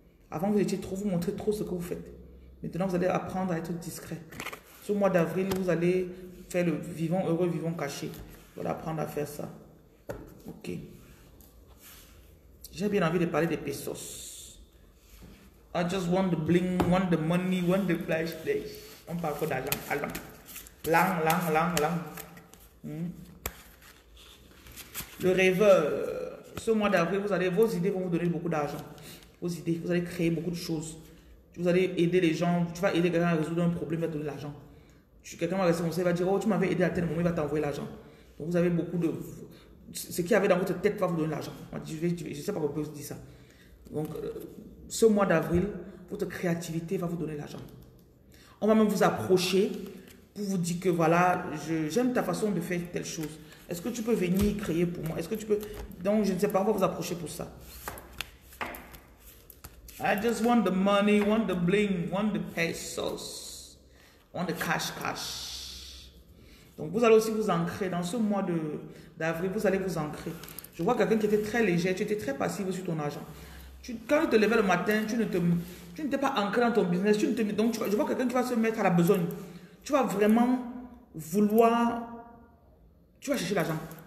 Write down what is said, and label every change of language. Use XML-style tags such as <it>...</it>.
<fr>Avant, vous étiez trop, vous montrez trop ce que vous faites. Maintenant, vous allez apprendre à être discret. Ce mois d'avril, vous allez faire le vivant heureux, vivant caché. Vous allez apprendre à faire ça. Ok. J'ai bien envie de parler des pesos.</fr> <en>I just want the bling, want the money, want the flash, flash.</en> <fr>On parle pas d'argent. Allons. Lang, lang, lang, lang. Le rêveur. Ce mois d'avril, vos idées vont vous donner beaucoup d'argent. Vos idées, vous allez créer beaucoup de choses. Vous allez aider les gens. Tu vas aider quelqu'un à résoudre un problème, il va te donner de l'argent. Quelqu'un va rester conseil, il va dire, oh, tu m'avais aidé à tel moment, il va t'envoyer l'argent. Donc, vous avez beaucoup de. Ce qu'il y avait dans votre tête va vous donner l'argent. Je sais pas pourquoi je dis ça. Donc, ce mois d'avril, votre créativité va vous donner l'argent. On va même vous approcher pour vous dire que voilà, j'aime ta façon de faire telle chose. Est-ce que tu peux venir créer pour moi? Est-ce que tu peux. Donc, je ne sais pas, on va vous approcher pour ça.</fr> <en>I just want the money, want the bling, want the pesos, want the cash, cash.</en> <fr>Donc, vous allez aussi vous ancrer. Dans ce mois d'avril, vous allez vous ancrer. Je vois quelqu'un qui était très léger, tu étais très passif sur ton argent. Quand tu te levais le matin, tu n'étais pas ancré dans ton business. Je vois quelqu'un qui va se mettre à la besogne. Tu vas vraiment vouloir. Tu vas chercher l'argent.</fr>